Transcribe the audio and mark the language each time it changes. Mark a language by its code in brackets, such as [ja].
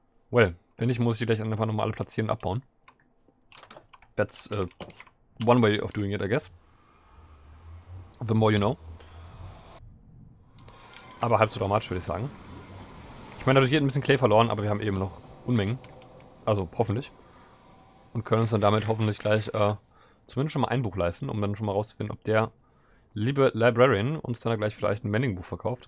[de] Well, wenn nicht, muss ich die gleich einfach nochmal alle platzieren und abbauen. [en] That's one way of doing it, I guess. The more you know. [de] Aber halb so dramatisch, würde ich sagen. Ich meine, dadurch geht ein bisschen Clay verloren, aber wir haben eben noch Unmengen. Also, hoffentlich. Und können uns dann damit hoffentlich gleich zumindest schon mal ein Buch leisten, um dann schon mal rauszufinden, ob der liebe Librarian uns dann gleich vielleicht ein Mending-Buch verkauft.